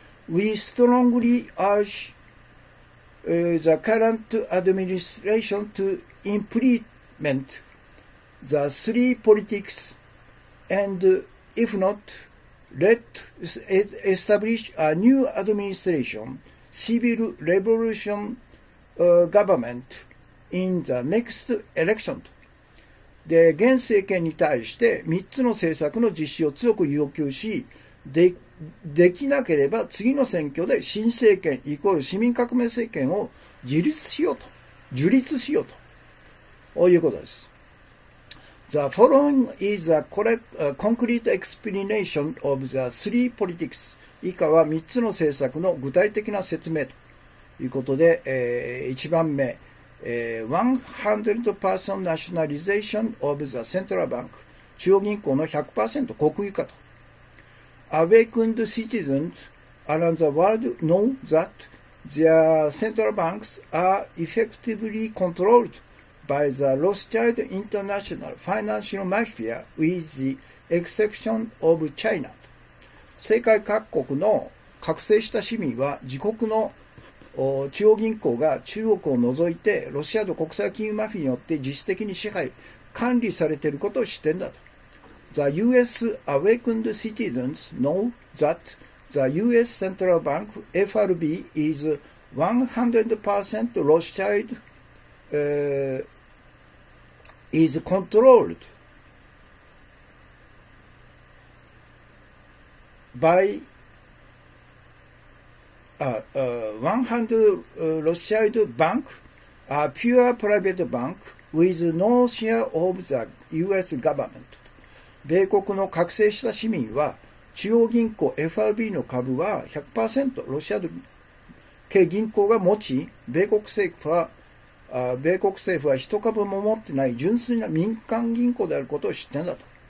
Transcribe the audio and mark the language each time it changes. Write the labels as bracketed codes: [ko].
[en] We strongly urge、the current administration to implement the three politics and if not, let establish a new administration, civil revolution、government in the next election. [ja] で、現政権に対して3つの政策の実施を強く要求し、できなければ次の選挙で新政権イコール市民革命政権を樹立しようと、こういうことです。 [en] The following is a concrete explanation of the three politics. [ja] 以下は3つの政策の具体的な説明ということで、1番目。 [en] 100% nationalization of the central bank [ja] 中央銀行の 100% 国有化と。 [en] Awakened citizens around the world know that their central banks are effectively controlled by the Rothschild International Financial Mafia with the exception of China。 [ja] 世界各国の覚醒した市民は自国の中央銀行が中国を除いてロシアの国際金融マフィアによって実質的に支配管理されていることを知っているんだと。 [en] The US awakened citizens know that the US Central Bank FRB is 100% Rothschild、is controlled byRothschild Bank, a pure private bank with no share of the US government. [ja] 米国の覚醒した市民は中央銀行 FRB の株は 100% ロシア系銀行が持ち、米国政府は一株も持ってない純粋な民間銀行であることを知ってんだと。